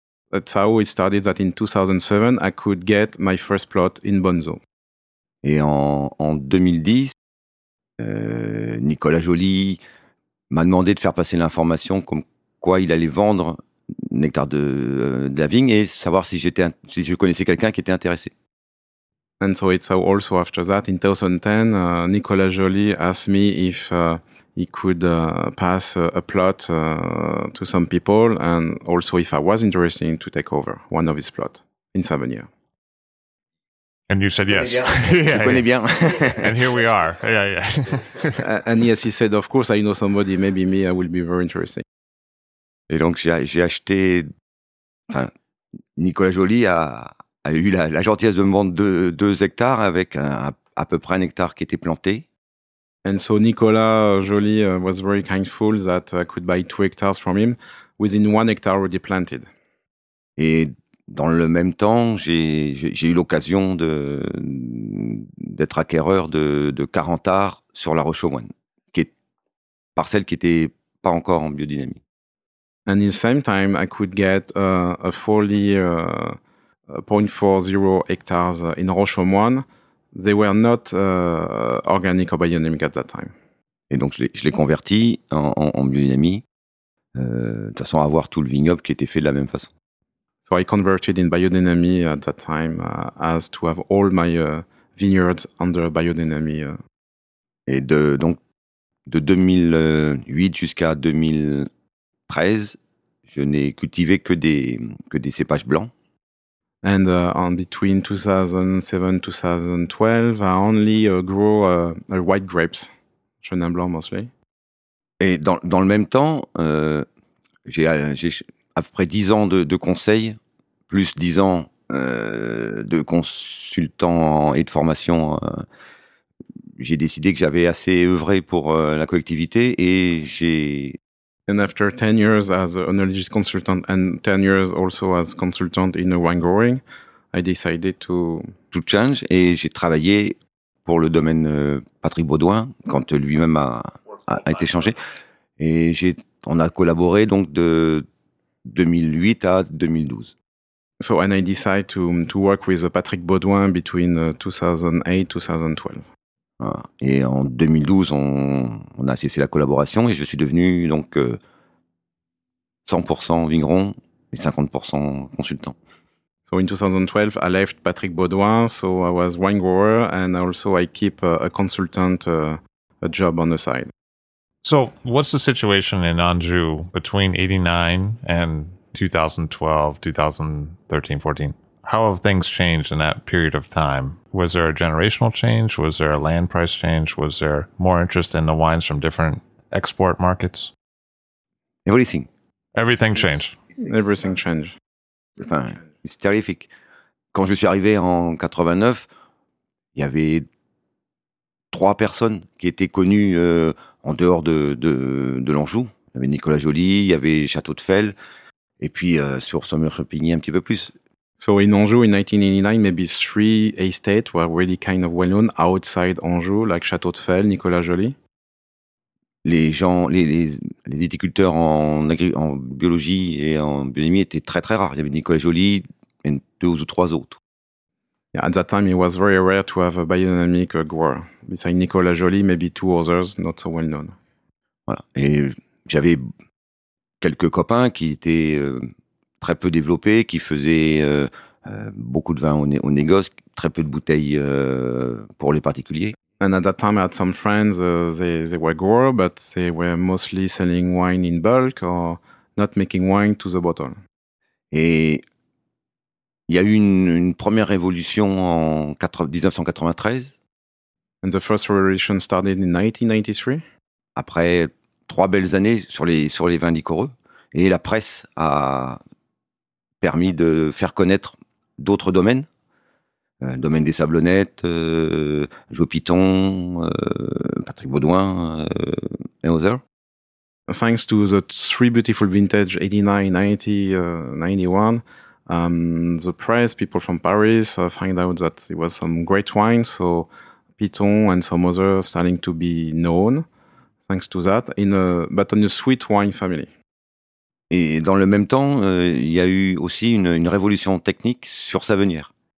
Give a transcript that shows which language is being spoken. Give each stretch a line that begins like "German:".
English: That's how it started, that in 2007, I could get my first plot in Bonzo.
French: Et en 2010, Nicolas Joly m'a demandé de faire passer l'information comme quoi il allait vendre un hectare de la vigne et savoir si je connaissais quelqu'un qui était intéressé.
English: And so it's also after that, in 2010, Nicolas Joly asked me if he could pass a plot to some people and also if I was interested to take over one of his plots in 7 years. And you said yes. Yeah, yeah, yeah. And here we are. Yeah, yeah. And yes, he said, of course, I know somebody, maybe me, I will be very interesting.
French: Et donc, j'ai acheté... Enfin, Nicolas Joly a eu la gentillesse de me vendre deux hectares avec à peu près un hectare qui était planté.
English: And so Nicolas Joly was very kindful that I could buy 2 hectares from him within 1 hectare already planted.
French: Et... Dans le même temps, j'ai eu l'occasion d'être acquéreur de 40 arts sur La Roche-aux-Moines, qui est parcelle qui n'était pas encore en biodynamie.
English: And in the same time, I could get a 40.40 hectares in Roche-aux-Moines. They were not organic or biodynamic at that time.
French: Et donc je l'ai converti en biodynamie, de façon à avoir tout le vignoble qui était fait de la même façon.
English: So I converted in biodynamy at that time as to have all my vineyards under biodynamy.
French: Et de 2008 jusqu'à 2013, je n'ai cultivé que des cépages blancs.
English: And on between 2007-2012, I only grow white grapes, Chenin blanc mostly.
French: Et dans le même temps, j'ai après 10 ans de conseils, plus 10 ans de consultant et de formation, j'ai décidé que j'avais assez œuvré pour la collectivité et j'ai...
English: And after 10 years as an oenologist consultant and 10 years also as consultant in a wine growing, I decided to... To change,
French: et j'ai travaillé pour le domaine Patrick Baudouin quand lui-même a été changé. Et on a collaboré donc de 2008 à 2012.
English: So, and I decide to work with Patrick Baudouin between 2008-2012.
French: Ah, et en 2012, on a cessé la collaboration et je suis devenu donc 100% vigneron et 50% consultant.
English: So, in 2012, I left Patrick Baudouin, so I was wine grower and also I keep a consultant a job on the side. So, what's the situation in Anjou between 89 and 2012, 2013, 14. How have things changed in that period of time? Was there a generational change? Was there a land price change? Was there more interest in the wines from different export markets? Everything. Everything changed. Everything changed. Enfin, it's terrific.
French: Quand je suis arrivé en 89, il y avait 3 personnes qui étaient connues en dehors de l'Anjou. Il y avait Nicolas Joly, il y avait Château de Fell. Et puis sur Saumur-Champigny un petit peu plus.
English: So in Anjou in 1989, maybe 3 estates were really kind of well known outside Anjou, like Château de Fell, Nicolas Joly.
French: Les gens, les viticulteurs en biologie et en biodynamie étaient très très rares. Il y avait Nicolas Joly et 2 ou 3 autres.
English: Yeah, at that time, it was very rare to have a biodynamic grower. Besides Nicolas Joly, maybe 2 others, not so well known.
French: Voilà. Et j'avais quelques copains qui étaient très peu développés, qui faisaient beaucoup de vin au négoce, très peu de bouteilles pour les particuliers.
English: And at that time, I had some friends. They were growers, but they were mostly selling wine in bulk or not making wine to the bottle.
French: Et il y a eu une première révolution en 1993.
English: And the first revolution started in 1993.
French: Après trois belles années sur les vins liquoreux, et la presse a permis de faire connaître d'autres domaines. Domaine des Sablonnettes, Joe Piton, Patrick Baudouin, et others.
English: Thanks to the three beautiful vintage, 89, 90, 91, the press, people from Paris, find out that it was some great wine, so Piton and some others starting to be known, thanks to that, but on a sweet wine family.
French: Et dans le même temps, il y a eu aussi une révolution technique sur Savennières.